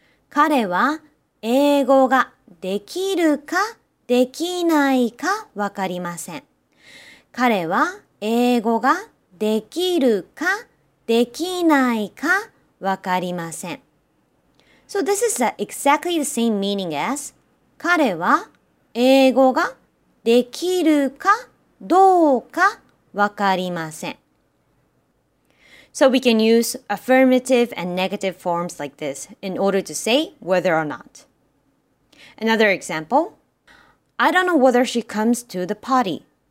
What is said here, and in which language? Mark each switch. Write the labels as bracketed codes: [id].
[ja] 彼は英語ができるかできないかわかりません。彼は英語ができるかできないかわかりません。 [en] So this is exactly the same meaning as [ja] 彼は英語ができるかどうかわかりません。 [en] So we can use affirmative and negative forms like this in order to say whether or not. Another example, I don't know whether she comes to the party.